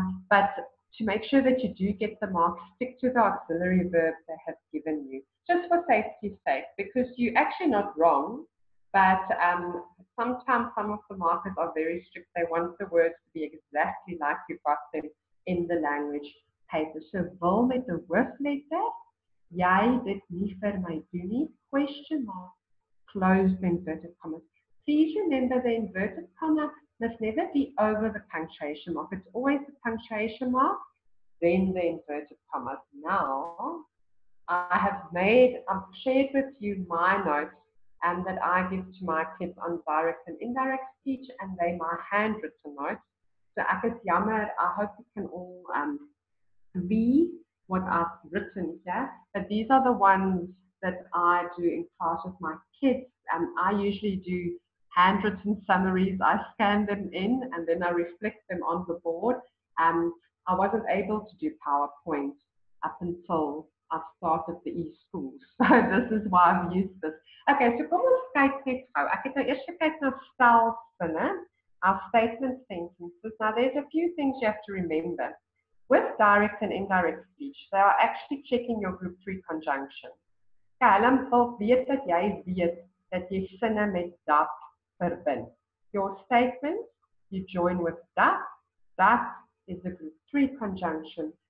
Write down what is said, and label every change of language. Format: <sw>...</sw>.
<en>But to make sure that you do get the mark, stick to the auxiliary verb they have given you. Just for safety's sake, because you're actually not wrong, but sometimes some of the markers are very strict. They want the words to be exactly like you've got them in the language paper. So vol met the word letter,</en> <af>jy dit nie vir my doen nie,</af> <en>question mark. Close the inverted commas. Please remember the inverted comma must never be over the punctuation mark. It's always the punctuation mark, then the inverted commas. Now, I've shared with you my notes and that I give to my kids on direct and indirect speech, and they my handwritten notes. So,</en> <af>ek is jammer,</af> <en>I hope you can all read what I've written here. But these are the ones that I do in class with my kids. I usually do handwritten summaries. I scan them in and then I reflect them on the board. I wasn't able to do PowerPoint up until I started the e-school. So this is why I've used this. Okay, so</en> <af>kom ons kyk net gou. Ek het nou eers gekyk na self, né?</af> <en>Our statement sentences. Now there's a few things you have to remember. With direct and indirect speech, they are actually checking your group 3 conjunction.</en> <af>Ja, hulle wil weet dat jy weet dat jy sinne met dat verbind.</af> <en>Your statement, you join with that. That is a group 3 conjunction.</en>